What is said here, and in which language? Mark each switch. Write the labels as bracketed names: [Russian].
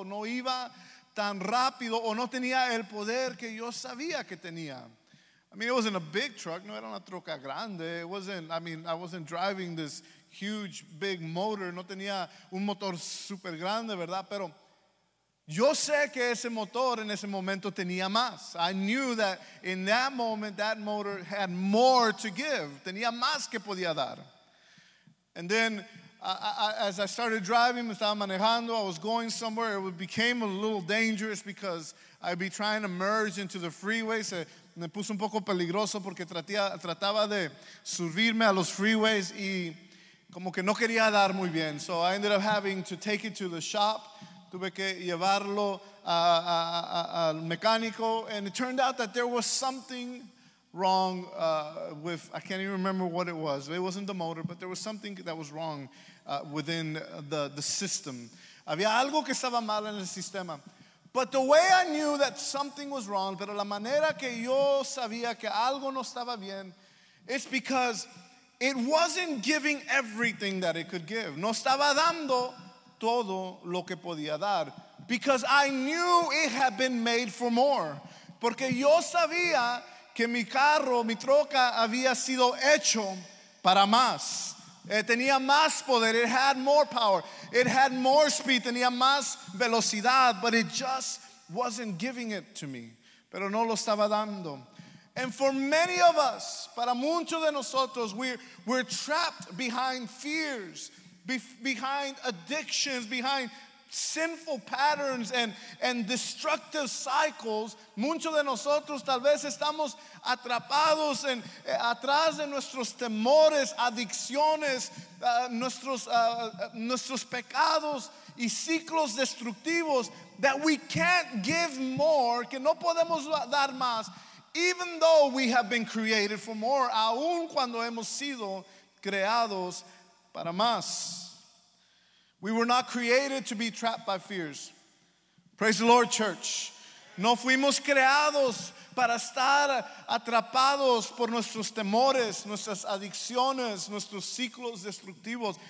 [Spanish] No iba tan rápido o no tenía el poder que yo sabía que tenía. [English] I mean, it wasn't a big truck. [Spanish] No era una troca grande. [English] It wasn't, I mean, I wasn't driving this huge, big motor. [Spanish] No tenía un motor super grande, ¿verdad? Pero yo sé que ese motor en ese momento tenía más. [English] I knew that in that moment, that motor had more to give. [Spanish] Tenía más que podía dar. [English] And then as I started driving, [Spanish] estaba manejando, [English] I was going somewhere. It became a little dangerous because I'd be trying to merge into the freeways. [Spanish] Me puse un poco peligroso porque trataba de subirme a los freeways y como que no quería dar muy bien. [English] So I ended up having to take it to the shop. [Spanish] Tuve que llevarlo al mecánico. [English] And it turned out that there was something wrong with, I can't even remember what it was. It wasn't the motor, but there was something that was wrong within the system. [Spanish] Había algo que estaba mal en el sistema. [English] But the way I knew that something was wrong, [Spanish] pero la manera que yo sabía que algo no estaba bien, [English] it's because it wasn't giving everything that it could give. [Spanish] No estaba dando todo lo que podía dar. [English] Because I knew it had been made for more. [Spanish] Porque yo sabía que mi carro, mi troca, había sido hecho para más. Tenía más poder. [English] It had more power. It had more speed. [Spanish] Tenía más velocidad. [English] But it just wasn't giving it to me. [Spanish] Pero no lo estaba dando. [English] And for many of us, [Spanish] para muchos de nosotros, [English] we're trapped behind fears, behind addictions, behind sinful patterns and destructive cycles. [Spanish] Muchos de nosotros tal vez estamos atrapados en atrás de nuestros temores, adicciones, nuestros pecados y ciclos destructivos, [English] that we can't give more, [Spanish] que no podemos dar más, [English] even though we have been created for more, [Spanish] aun cuando hemos sido creados para más. [English] We were not created to be trapped by fears. Praise the Lord, church. [Spanish] No fuimos creados para estar atrapados por nuestros temores, nuestras adicciones, nuestros ciclos destructivos.